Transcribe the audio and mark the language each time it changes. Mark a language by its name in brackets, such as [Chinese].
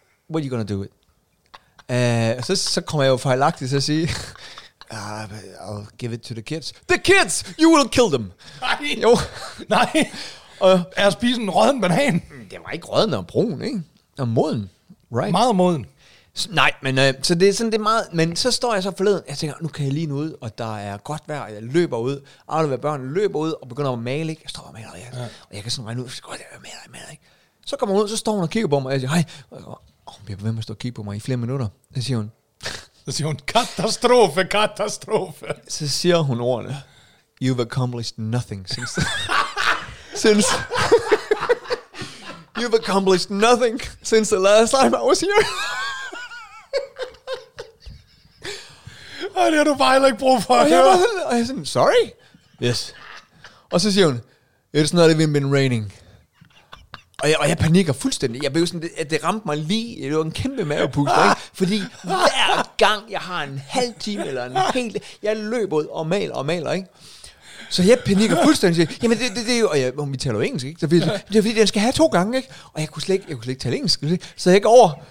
[English] What are you gonna do with? [Danish] Så kommer jeg jo fejlagtigt til at sige... [English] I'll give it to the kids. The kids! You will kill them! [Danish] Nej! Jo. Nej! Er at spise en rødden banan? Det var ikke rødden og brun, ikke? Og moden. Right. Meget moden. Nej, men så det er sådan, det er meget... Men så står jeg så forleden, jeg tænker, nu kan jeg lige nu ud, og der er godt vejr, og jeg løber ud. Arlever børn løber ud og begynder at male, ikke? Jeg står og maler, ja. Og jeg kan sådan regne ud, godt, jeg maler, jeg maler, ikke? Så kommer hun ud, så står hun og kigger på mig, og jeg siger, hej. Og hun bliver ved med at stå og kigge på mig i flere minutter. Så siger hun... Så siger hun, katastrofe, katastrofe. Så siger hun ordene, [English] you've accomplished nothing since... since you've accomplished nothing since the last time I was here. [Danish] Ej, det har du bare ikke brug for. Og jeg siger, [English] sorry? Yes. [Danish] Og så siger hun, [English] it's not even been raining. [Danish] Og jeg panikker fuldstændig. Jeg blev sådan, det ramte mig lige. Det var en kæmpe mavepuster, ikke? Fordi hver gang, jeg har en halv time eller en hel... Jeg løber ud og maler og maler, ikke? Så jeg panikker fuldstændig. Jamen, det er jo... Og vi taler engelsk, ikke? Så det er fordi, den skal have 2 gange, ikke? Og jeg kunne slet ikke tale engelsk. Så jeg går over.